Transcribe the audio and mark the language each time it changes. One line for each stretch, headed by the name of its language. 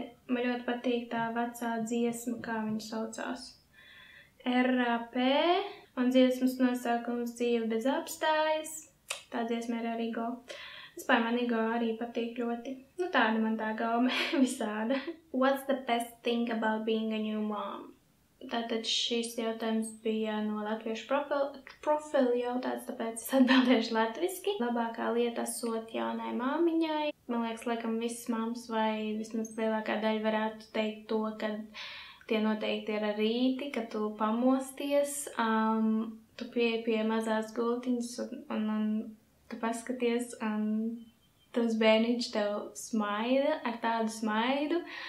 Latvian: Man ļoti patīk tā vecā dziesma, kā viņa saucās, R.A.P. Un dziesmas nosākums dzīve bez apstājas, tā dziesma ir ar Igo. Vispār man Igo arī patīk ļoti, nu tāda man tā gaume, visāda.
English: What's the best thing about being a new mom?
Latvian: Tātad šis jautājums bija no latviešu profilu jautājums, tāpēc es atbildēšu latviski. Labākā lieta esot jaunai māmiņai. Man liekas, laikam visas māmas vai vismaz lielākā daļa varētu teikt to, ka tie noteikti ir ar rīti, ka tu pamosties, tu pieeji pie mazās gultiņas un tu paskaties un tas bērniņš tev smaida ar tādu smaidu.